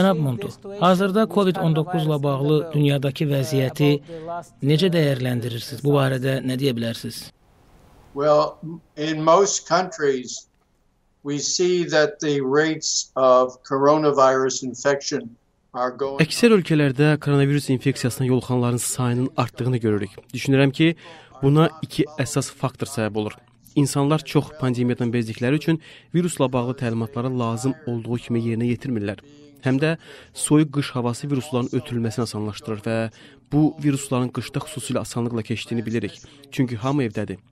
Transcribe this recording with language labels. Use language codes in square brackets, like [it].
[az] Cənab Monto, hazırda COVID-19 ile bağlı dünyadaki vəziyyəti necə dəyərləndirirsiniz? Bu barədə nə deyə bilərsiniz? [en] Well, in most countries we see that the rates of coronavirus infection [az] Əksər ölkələrdə koronavirus infeksiyasına yoluxanların sayının artdığını görürük. Düşünürəm ki, buna iki əsas faktor səbəb olur. İnsanlar çox pandemiyadan bezdikləri üçün virusla bağlı təlimatları lazım olduğu kimi yerinə yetirmirlər. Həm də soyuq qış havası virusların ötürülməsini asanlaşdırır və bu virusların qışda xüsusilə asanlıqla keçdiyini bilirik. Çünki hamı evdədir.